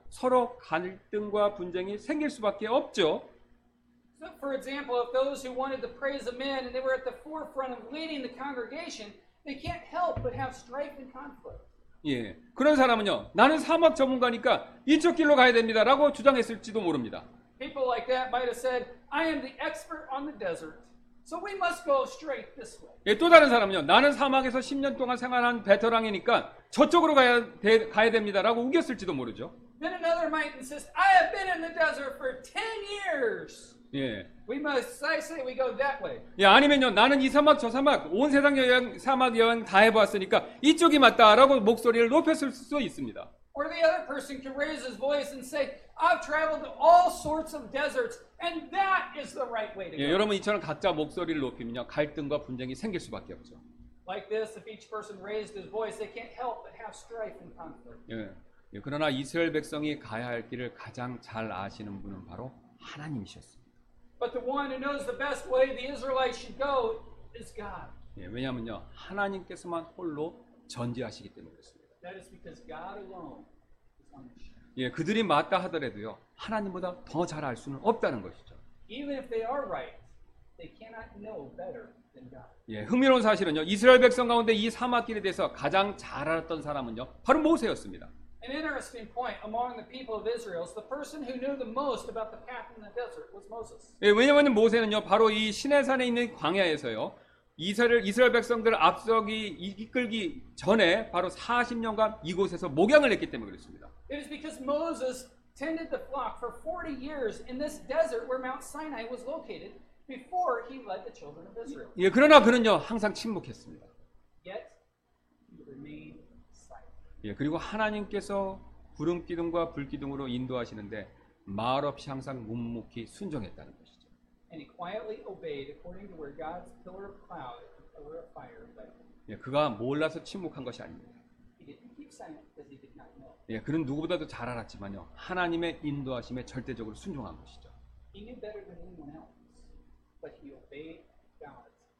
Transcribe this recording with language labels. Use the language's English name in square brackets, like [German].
[Korean] 서로 갈등과 분쟁이 생길 수밖에 없죠. [English] So for example, if those who wanted the praise of men and they were at the forefront of leading the congregation, they can't help but have strife and conflict. [Korean] 예, 그런 사람은요. 나는 사막 전문가니까 이쪽 길로 가야 됩니다라고 주장했을지도 모릅니다. [English] People like that might have said, "I am the expert on the desert, so we must go straight this way." [Korean] 예, 또 다른 사람은요. 나는 사막에서 10년 동안 생활한 베테랑이니까 저쪽으로 가야 됩니다라고 우겼을지도 모르죠. [English] Then another might insist, "I have been in the desert for 10 years." [Korean] 예. [English] We must, I say, we go that way. [Korean] 예, 아니면요, 나는 이 사막 저 사막 온 세상 여행 사막 여행 다 해봤으니까 이쪽이 맞다라고 목소리를 높였을 수도 있습니다. [English] Or the other person can raise his voice and say, "I've traveled all sorts of deserts, and that is the right way to go." [Korean] 예, 여러분 이처럼 각자 목소리를 높이면요, 갈등과 분쟁이 생길 수밖에 없죠. [English] Like this, if each person raised his voice, they can't help but have strife and conflict. [Korean] 예. 그러나 이스라엘 백성이 가야 할 길을 가장 잘 아시는 분은 바로 하나님이셨습니다. [English] But the one who knows the best way the Israelites should go is God. [Korean] 예, 왜냐하면요 하나님께서만 홀로 전지하시기 때문에 그렇습니다. [English] That is because God alone is on the show. [Korean] 예, 그들이 맞다 하더라도요 하나님보다 더 잘 알 수는 없다는 것이죠. [English] Even if they are right, they cannot know better than God. [Korean] 예, 흥미로운 사실은요 이스라엘 백성 가운데 이 사막길에 대해서 가장 잘 알았던 사람은요 바로 모세였습니다. [English] An interesting point among the people of Israel is the person who knew the most about the path in the desert was Moses. [Korean] 예, 왜냐하면 모세는요, 바로 이 시내산에 있는 광야에서요, 이스라엘 백성들 앞서기 이끌기 전에 바로 40년간 이곳에서 목양을 했기 때문에 그렇습니다. [English] It is because Moses tended the flock for 40 years in this desert where Mount Sinai was located before he led the children of Israel. [Korean] 예, 그러나 그는요, 항상 침묵했습니다. [English] Yet he remained. [Korean] 예, 그리고 하나님께서 구름 기둥과 불 기둥으로 인도하시는데 말 없이 항상 묵묵히 순종했다는 것이죠. [English] And he quietly obeyed according to where God's pillar of cloud and pillar of fire led him. [Korean] 예, 그가 몰라서 침묵한 것이 아닙니다. [English] He didn't keep silent because he did not know. [Korean] 예, 그는 누구보다도 잘 알았지만요. 하나님의 인도하심에 절대적으로 순종한 것이죠. [English] He knew better than anyone else, but he obeyed God's.